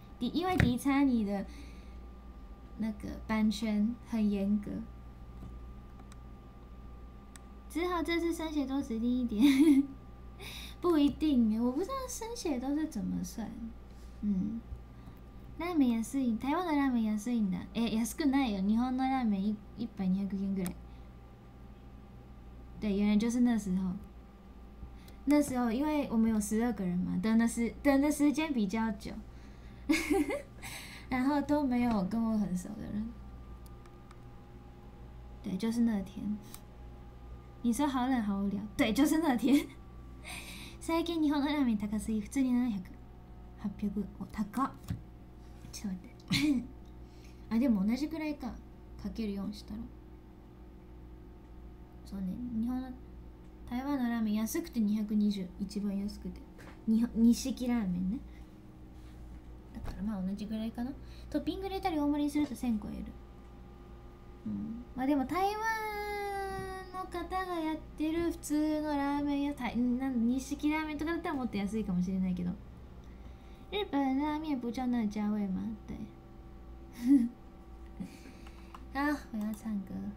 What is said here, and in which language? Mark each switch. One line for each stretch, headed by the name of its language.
Chinese: 因为迪差尼的那个版权很严格。只好这次生写多指定一点。不一定，我不知道生写都是怎么算。
Japanese: 嗯，ラーメン安い。台湾のラーメン安いんだ。え、安くないよ。日本のラーメン一杯200円ぐらい。
Chinese: 对，原来就是那时候。那时候因为我们有12个人嘛，等的时间比较久。然后都没有跟我很熟的人。对，就是那天。你说好冷好无聊。对，就是那天。
Japanese: 最近日本のラーメン高すぎ。普通に700。800。 お、高。ちょっと待って。あ、でも同じくらいか。かける4したら。そうね。台湾のラーメン安くて220。一番安くて。日式ラーメンね。だからまあ同じくらいかな。トッピング入れたり大盛りにすると1000超える。うん。まあでも台湾の方がやってる普通のラーメン屋、日式ラーメンとかだったらもっと安いかもしれないけど。
Chinese: 日本的拉面不叫那个价位吗？对。啊，我要唱歌。